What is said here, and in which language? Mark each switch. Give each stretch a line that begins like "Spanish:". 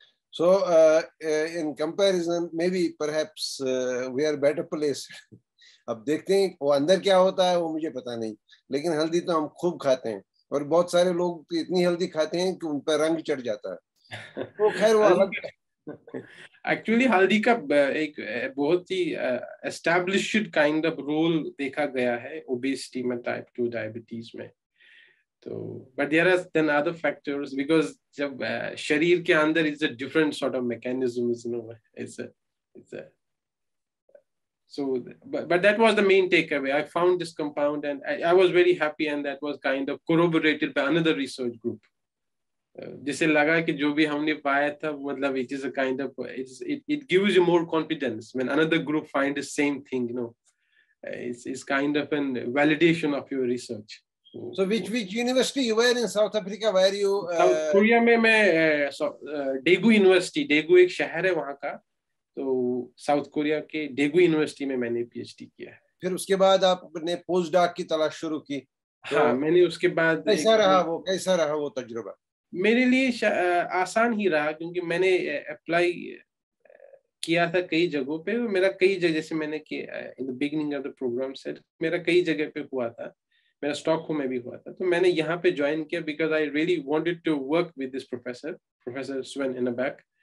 English: So in comparison maybe perhaps we are better placed.
Hindi: Ab dekhte hain wo andar kya hota hai wo mujhe pata nahi. Lekin haldi to hum khub khate hain. और बहुत सारे लोग इतनी हल्दी खाते हैं कि उन पर रंग चढ़ जाता है तो खैर वो अलग
English: actually
Hindi: हल्दी का एक बहुत ही
English: established kind of role
Hindi: देखा गया है
English: obesity में type 2 diabetes में तो but there are then other factors because
Hindi: जब शरीर के अंदर
English: Is a different sort of mechanism is no it's a So, but that was the main takeaway. I found this compound and I was very happy and that was kind of corroborated by another research group.
Hindi: Jise laga ki jo bhi humne paya tha, matlab
English: it is a kind of, it gives you more confidence when another group find the same thing, you know. It's kind of a validation of your research. So which university you were in South Africa, where you...
Hindi: South Korea mein main, Daegu University, Daegu ek shahar hai wahan ka. तो south Korea के Daegu university में मैंने PhD किया फिर उसके बाद आपने post doc की तलाश शुरू की हाँ मैंने उसके बाद कैसा रहा वो तजुर्बा मेरे लिए आसान ही रहा क्योंकि मैंने अप्लाई किया था कई जगहों पे, मेरा कई जगह, जैसे मैंने कि
English: in the beginning of the program said,
Hindi: मेरा कई जगह पे हुआ था, मेरा स्टॉकहोम में भी हुआ था, तो मैंने यहाँ पे ज्वाइन किया
English: because I really wanted to work with this professor,
Hindi: professor Sven इनबैक.